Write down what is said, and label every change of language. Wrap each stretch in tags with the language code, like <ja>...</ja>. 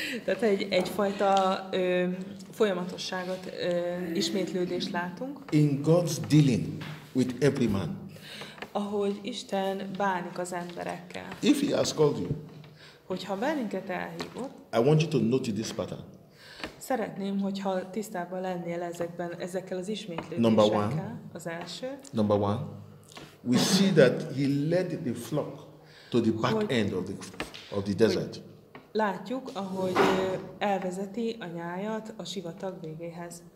<hu>Tehát egyfajta folyamatosságot, ismétlődést látunk.</hu> <en>In God's dealing with every man.</en> <hu>Ahogy Isten bánik az emberekkel.</hu> <en>If he has called you.</en> <hu>Hogyha bennünket elhívott.</hu> <en>I want you to note this pattern.</en> <hu>Szeretném, hogyha tisztában lennél ezekkel az ismétlődésekkel.</hu> <en>Number one.</en> <hu>Az első.</hu> <en>Number one. We see that he led the flock to the back end of the desert.</en> <hu>Látjuk, ahogy elvezeti a nyájat a sivatag végéhez.</hu>